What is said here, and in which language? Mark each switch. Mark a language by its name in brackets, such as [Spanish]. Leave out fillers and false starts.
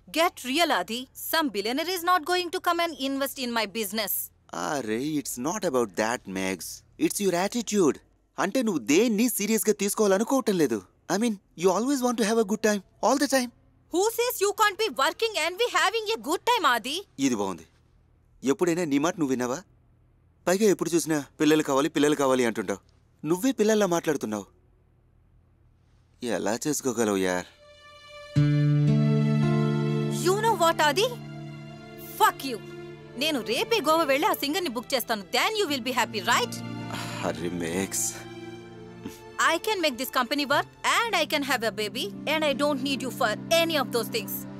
[English] Get real Adi, some billionaire is not going to come and invest in my business. అరే it's not about that mags, it's your attitude. [Telugu] అంటే నువ్వు దేన్ని సీరియస్గా తీసుకోవాలనుకోవటం లేదు. [English] I mean you always want to have a good time all the time. Who says you can't be working and be having a good time, Adi? [Telugu] ఇది బాగుంది. ఎప్పుడైనా నీ మాట నువ్వు విన్నావా? పైగా ఎప్పుడు చూసినా పిల్లలు కావాలి పిల్లలు కావాలి అంటుంటావు. నువ్వే పిల్లల్లా మాట్లాడుతున్నావు. ఎలా చేసుకోగలవు యార్? [English] You know what Adi, fuck you. [Telugu] నేను రేపే గోవా వెళ్ళి ఆ సింగర్ని బుక్ చేస్తాను. [English] Then you will be happy, right? Hari makes. I can make this company work and I can have a baby and I don't need you for any of those things.